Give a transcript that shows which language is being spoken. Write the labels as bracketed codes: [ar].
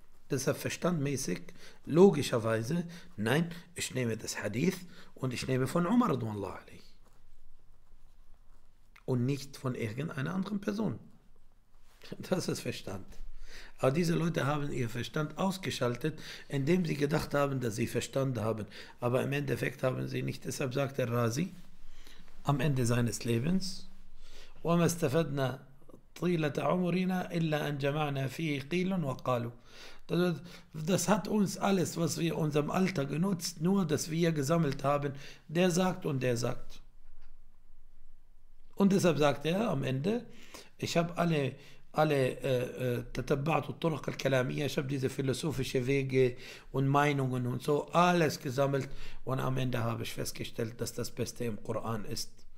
[de] Deshalb verstandmäßig, logischerweise, nein, ich nehme das Hadith und ich nehme von Umar radhiyallahu anhu und nicht von irgendeiner anderen Person. Das ist Verstand. Aber diese Leute haben ihr Verstand ausgeschaltet, indem sie gedacht haben, dass sie Verstand haben. Aber im Endeffekt haben sie nicht. Deshalb sagt der Razi am Ende seines Lebens: [ar] وَمَا اسْتَفَدْنَا طِيلَةَ عُمُرِنَا إِلَّا أَنْ جَمَعْنَا فِيهِ قِيلًا وَقَالُوا. [de] Das hat uns alles, was wir in unserem Alter genutzt, nur dass wir gesammelt haben, der sagt und der sagt. Und deshalb sagt er am Ende: Ich habe alle Tatabbaat al-Kalamiyya, ich habe diese philosophischen Wege und Meinungen und so alles gesammelt und am Ende habe ich festgestellt, dass das Beste im Koran ist.